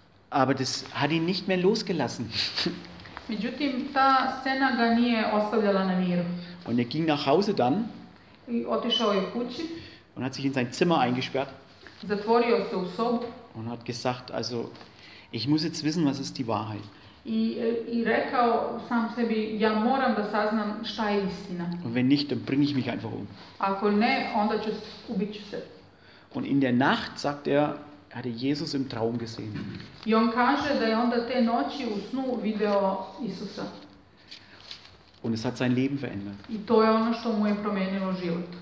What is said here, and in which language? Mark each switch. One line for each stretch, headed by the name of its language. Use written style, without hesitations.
German: Aber das hat ihn nicht mehr losgelassen.
Serbian: Međutim, ta scena ga nije ostavljala na miru.
German: Und er ging nach Hause dann.
Serbian: I otišao je kući.
German: Und hat sich in sein Zimmer eingesperrt.
Serbian: Zatvorio se u sobu.
German: Und hat gesagt, also ich muss jetzt wissen, was ist die Wahrheit.
Serbian: I rekao sam sebi, ja moram da saznam šta je istina.
German: Und wenn nicht, dann bringe ich mich einfach um.
Serbian: Ako ne, onda ću ubiću se.
German: Und in der Nacht, sagt er, hatte Jesus im Traum gesehen.
Serbian: I on kaže da je onda te noći u snu video Isusa.
German: Und es hat sein Leben verändert.
Serbian: I to je ono što mu je promijenilo život.